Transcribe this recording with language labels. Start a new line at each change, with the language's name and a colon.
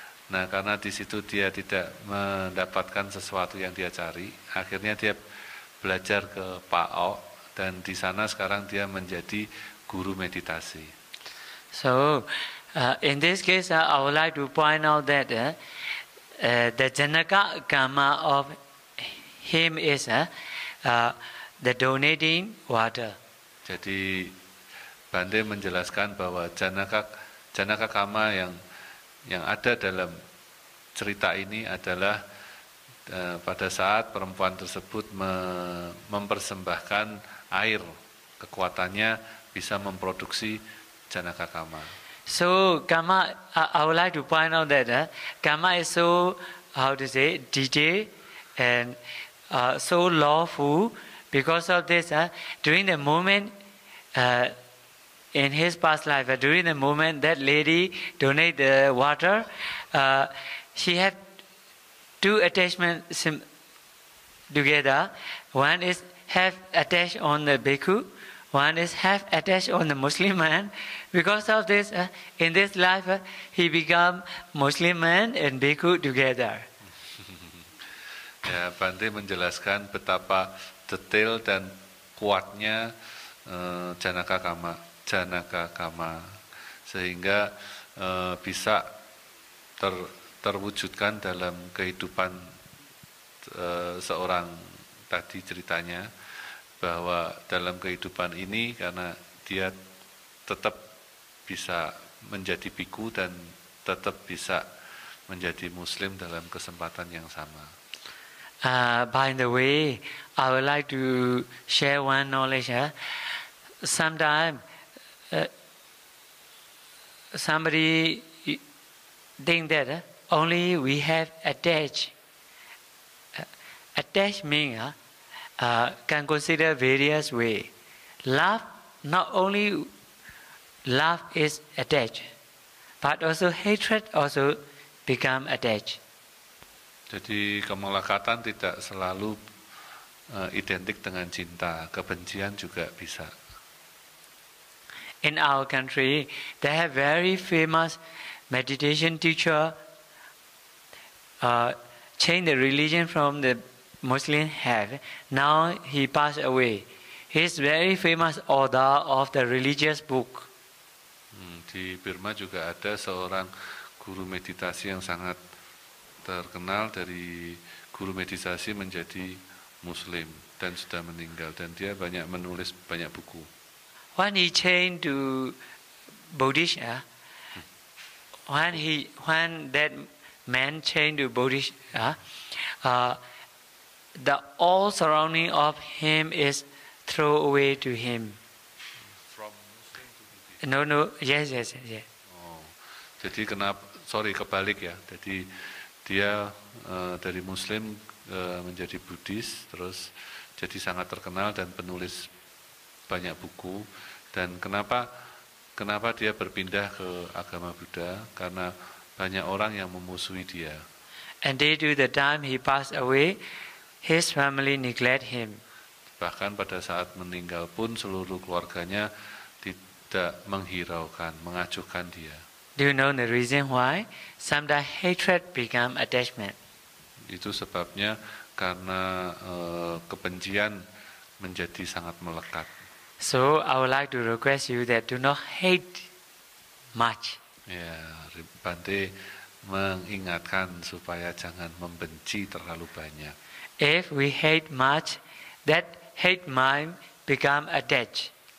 Indonesian: Nah, karena di situ dia tidak mendapatkan sesuatu yang dia cari, akhirnya dia belajar ke Pak O dan di sana sekarang dia menjadi guru meditasi.
English: So, in this case, I would like to point out that the Janaka Agama of him is the donating water.
Indonesian: Jadi Bande menjelaskan bahwa janaka kama yang ada dalam cerita ini adalah pada saat perempuan tersebut mempersembahkan air, kekuatannya bisa memproduksi janaka kama.
English: So kama, I would like to point out that kama is so, how to say, detailed and so lawful. Because of this, during the moment in his past life, during the moment that lady donate the water, she had two attachments together. One is half attached on the bhikkhu, one is half attached on the Muslim man. Because of this, in this life, he become Muslim man and bhikkhu together.
Indonesian: Ya, Bante menjelaskan betapa detail dan kuatnya janaka kama sehingga bisa terwujudkan dalam kehidupan seorang tadi ceritanya bahwa dalam kehidupan ini karena dia tetap bisa menjadi biku dan tetap bisa menjadi Muslim dalam kesempatan yang sama.
English: By the way, I would like to share one knowledge. Sometimes somebody think that only we have attached means can consider various way. Love, not only love is attached, but also hatred also become attached.
Indonesian: Jadi kemelekatan tidak selalu identik dengan cinta, kebencian juga bisa.
English: In our country, they have very famous meditation teacher change the religion from the Muslim have. Now he passed away. He's very famous author of the religious book.
Indonesian: Di Burma juga ada seorang guru meditasi yang sangat terkenal dari guru meditasi menjadi Muslim dan sudah meninggal dan dia banyak menulis banyak buku.
English: when he changed to Bodhisattva, when that man changed to Bodhisattva, the all surrounding of him is thrown away to him. From Muslim to Buddhist. No, yes.
Indonesian: Oh, jadi kenapa? Sorry, kebalik ya. Jadi dia dari Muslim menjadi Buddhis, terus jadi sangat terkenal dan penulis banyak buku. Dan kenapa dia berpindah ke agama Buddha? Karena banyak orang yang memusuhi dia.
English: And they do the time he passed away, his family neglect him.
Indonesian: Bahkan pada saat meninggal pun seluruh keluarganya tidak menghiraukan, mengacuhkan dia.
English: Do you know the reason why? Sometimes hatred become attachment.
Indonesian: Itu sebabnya karena kebencian menjadi sangat melekat.
English: So I would like to request you that do not hate much.
Indonesian: Ya, Bante mengingatkan supaya jangan membenci terlalu banyak.
English: If we hate much, that hate mind become attached.